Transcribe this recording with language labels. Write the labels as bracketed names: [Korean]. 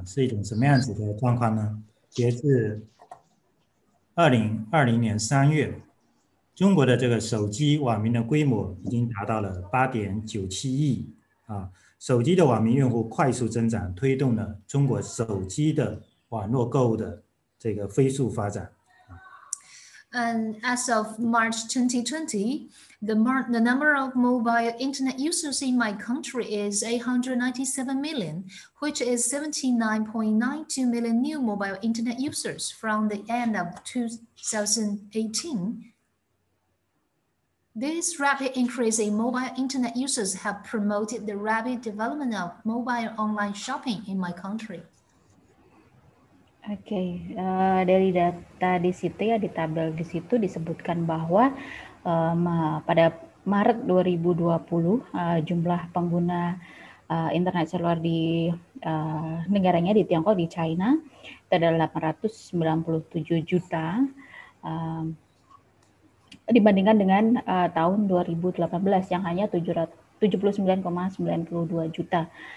[Chinese] 那么中国的移动商务的发展是一种什么样子的状况呢？截至2020年3月， 中国的这个手机网民的规模已经达到了 8.97亿， 手机的网民用户快速增长， 推动了中国手机的 [English] And as of March 2020, the number of mobile internet users in my country is 897 million, which is 79.92 million new mobile internet users from the end of 2018. This rapid increase in mobile internet users have promoted the rapid development of mobile online shopping in my country. [Indonesian] Oke, dari data di situ ya, di tabel di situ disebutkan bahwa pada Maret 2020 jumlah pengguna internet seluler di negaranya di Tiongkok, di China, itu adalah 897 juta dibandingkan dengan tahun 2018 yang hanya 779,92 juta.